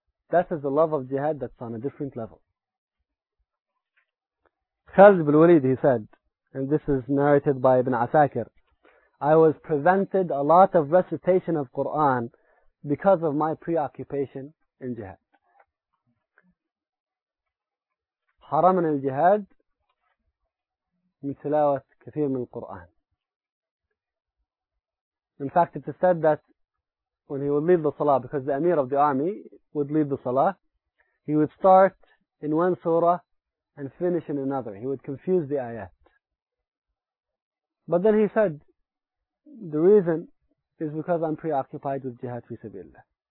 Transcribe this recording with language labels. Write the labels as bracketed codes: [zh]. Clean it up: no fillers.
[en] That is the love of jihad that's on a different level. Khalid ibn Walid, he said, and this is narrated by Ibn Asakir, "I was prevented a lot of recitation of Quran because of my preoccupation in jihad." [ar] حرم من الجهاد من تلاوة كثير من القرآن. [en] In fact, it is said that when he would leave the salah, because the Amir of the army would leave the salah, he would start in one surah and finish in another. He would confuse the ayat. But then he said, the reason is because I'm preoccupied with jihad fi sabilillah.